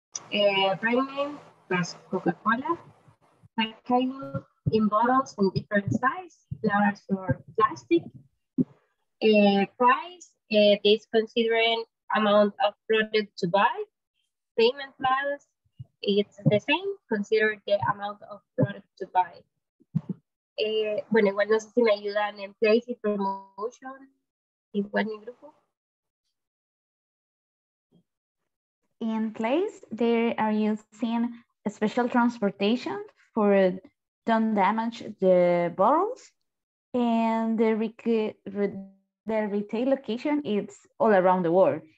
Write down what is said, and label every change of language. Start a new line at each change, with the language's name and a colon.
English: Brand name was Coca-Cola. Packaging in bottles in different size, flowers or plastic. Price, this considering amount of product to buy. Payment plans, it's the same, consider the amount of product to buy.
Spanish: Bueno, igual no sé si me ayudan en place y promotion. Igual mi grupo.
English: In place, they are using special transportation for don't damage the bottles. And the retail location is all around the world.